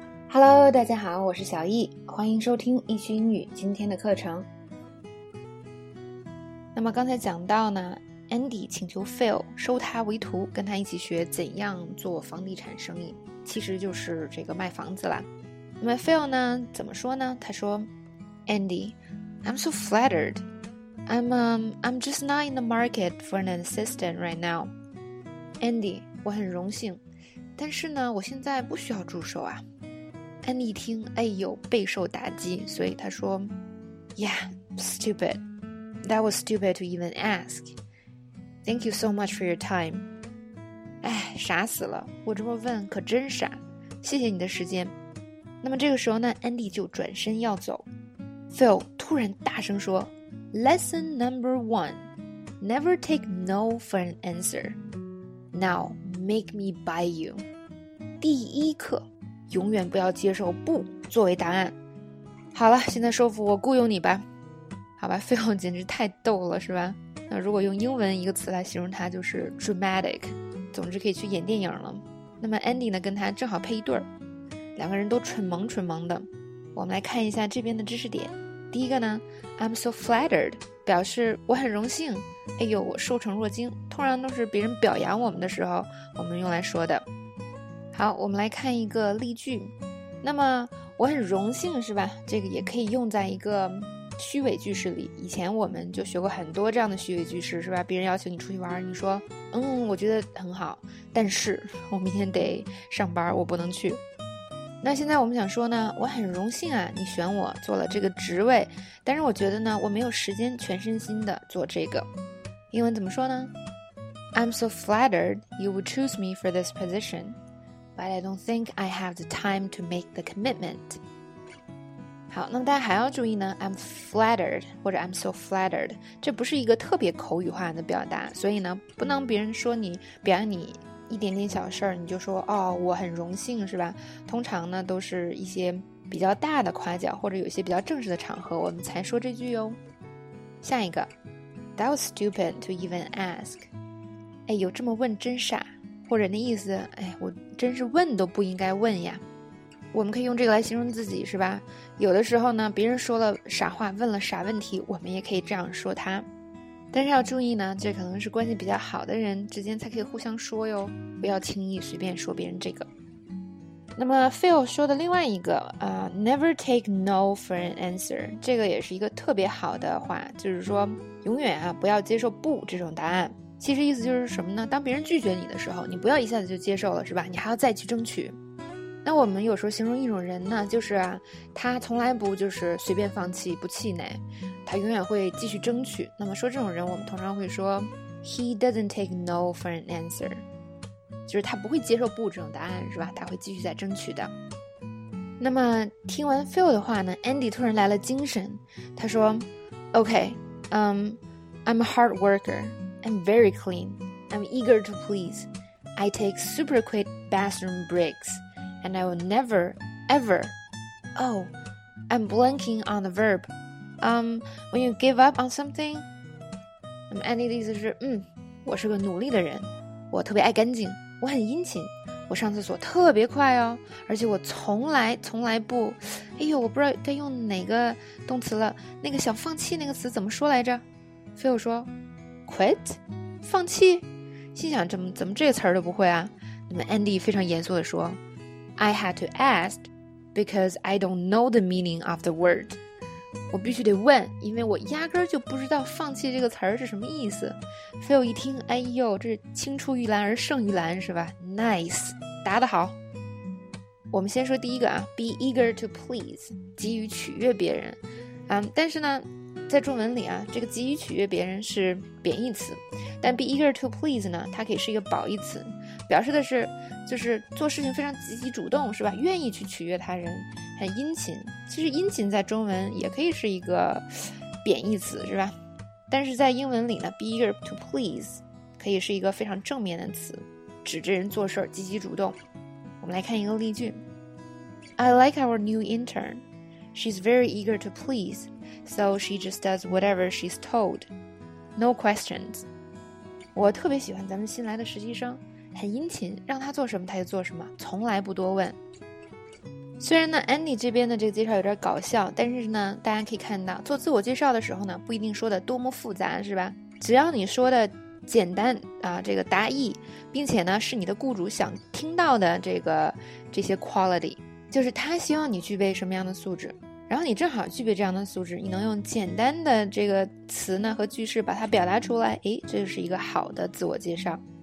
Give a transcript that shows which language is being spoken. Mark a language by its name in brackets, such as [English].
[Chinese] Hello， 大家好，我是小易，欢迎收听易趣英语今天的课程。那么刚才讲到呢 ，Andy 请求 Phil 收他为徒，跟他一起学怎样做房地产生意，其实就是这个卖房子啦。那么 Phil 呢，怎么说呢？他说 [English] ，Andy， I'm so flattered. I'm just not in the market for an assistant right now. [Chinese] Andy， 我很荣幸，但是呢，我现在不需要助手啊。安妮听，哎呦，备受打击，所以她说 ， [English] Yeah, stupid. That was stupid to even ask. Thank you so much for your time. [Chinese] 哎，傻死了，我这么问可真傻。谢谢你的时间。那么这个时候呢，安妮就转身要走。 [English] Phil [Chinese] 突然大声说 [English] ，Lesson number one: Never take no for an answer. Now make me buy you. [Chinese] 第一课。永远不要接受不作为答案。好了，现在说服我雇佣你吧。好吧 ，Phil 简直太逗了，是吧？那如果用英文一个词来形容他，就是 dramatic。总之可以去演电影了。那么 Andy 呢，跟他正好配一对儿，两个人都蠢萌蠢萌的。我们来看一下这边的知识点。第一个呢 ， [English] I'm so flattered， [Chinese] 表示我很荣幸。哎呦，我受宠若惊。通常都是别人表扬我们的时候，我们用来说的。好，我们来看一个例句。那么我很荣幸是吧，这个也可以用在一个虚伪句式里。以前我们就学过很多这样的虚伪句式是吧，别人邀请你出去玩，你说嗯我觉得很好，但是我明天得上班，我不能去。那现在我们想说呢，我很荣幸啊你选我做了这个职位，但是我觉得呢我没有时间全身心的做这个。英文怎么说呢？ [English] I'm so flattered you would choose me for this positionBut I don't think I have the time to make the commitment. [Chinese] 好，那么大家还要注意呢 ， [English] I'm flattered [Chinese] 或者 [English] I'm so flattered， [Chinese] 这不是一个特别口语化的表达，所以呢，不能别人说你表扬你一点点小事儿，你就说哦我很荣幸是吧？通常呢都是一些比较大的夸奖或者有一些比较正式的场合，我们才说这句哟。下一个 [English] ，That was stupid to even ask. [Chinese] 哎，有这么问真傻。或者那意思，哎，我真是问都不应该问呀。我们可以用这个来形容自己，是吧？有的时候呢，别人说了傻话，问了傻问题，我们也可以这样说他。但是要注意呢，这可能是关系比较好的人之间才可以互相说哟，不要轻易随便说别人这个。那么 Phil 说的另外一个 [English] never take no for an answer， [Chinese] 这个也是一个特别好的话，就是说永远啊不要接受不这种答案。其实意思就是什么呢？当别人拒绝你的时候，你不要一下子就接受了，是吧？你还要再去争取。那我们有时候形容一种人呢，就是啊，他从来不就是随便放弃不气馁，他永远会继续争取。那么说这种人，我们通常会说 [English] He doesn't take no for an answer， [Chinese] 就是他不会接受不这种答案，是吧？他会继续再争取的。那么听完 Phil 的话呢 ，Andy 突然来了精神，他说 ： [English] “OK， I'm a hard worker。” I'm very clean. I'm eager to please. I take super quick bathroom breaks. And I will never, ever. Oh, I'm blanking on the verb. When you give up on something. [Chinese] Andy 的意思是，我是个努力的人，我特别爱干净，我很殷勤，我上厕所特别快哦，而且我从来从来不，哎呦，我不知道该用哪个动词了，那个想放弃那个词怎么说来着？ Phil 说Quit， 放弃，心想怎么这个词儿都不会啊？ [English] 那么 Andy [Chinese] 非常严肃地说 [English] ，I had to ask because I don't know the meaning of the word。 [Chinese] 我必须得问，因为我压根儿就不知道放弃这个词儿是什么意思。 Phil 一听，哎呦，这是青出于蓝而胜于蓝是吧 ？Nice， 答得好。我们先说第一个啊 ， [English] be eager to please， [Chinese] 急于取悦别人。但是呢。在中文里啊，这个急于取悦别人是贬义词，但 [English] be eager to please [Chinese] 呢，它可以是一个褒义词，表示的是就是做事情非常积极主动是吧，愿意去取悦他人，很殷勤。其实殷勤在中文也可以是一个贬义词是吧，但是在英文里呢 [English] be eager to please [Chinese] 可以是一个非常正面的词，指着人做事积极主动。我们来看一个例句。 [English] I like our new intern. She's very eager to pleaseSo she just does whatever she's told. No questions. [Chinese] 我特别喜欢咱们新来的实习生，很殷勤，让他做什么他就做什么，从来不多问。虽然呢 Andy 这边的这个介绍有点搞笑，但是呢大家可以看到做自我介绍的时候呢不一定说的多么复杂，是吧？只要你说的简单啊，这个答意，并且呢是你的雇主想听到的这些 quality， 就是他希望你具备什么样的素质，然后你正好具备这样的素质，你能用简单的这个词呢和句式把它表达出来，诶，这就是一个好的自我介绍。